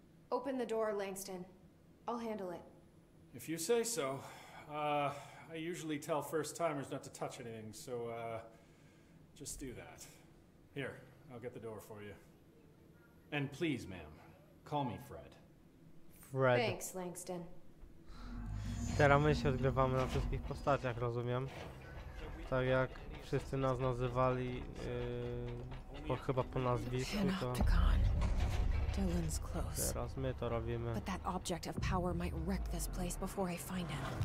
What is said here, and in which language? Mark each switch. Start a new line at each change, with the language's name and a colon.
English: Open the door, Langston. I'll handle it. If you say so. I usually tell first-timers not to touch anything, so, just do that. Here, I'll get the door for you. And please, ma'am, call me Fred. Fred. Thanks, Langston.
Polish: Teraz my się odgrywamy na wszystkich postaciach, rozumiem. Tak jak wszyscy nas nazywali, bo chyba po nazwisku to...
English: Dylan's close.
Polish: Teraz my to robimy.
English: But that object of power might wreck this place before I find him.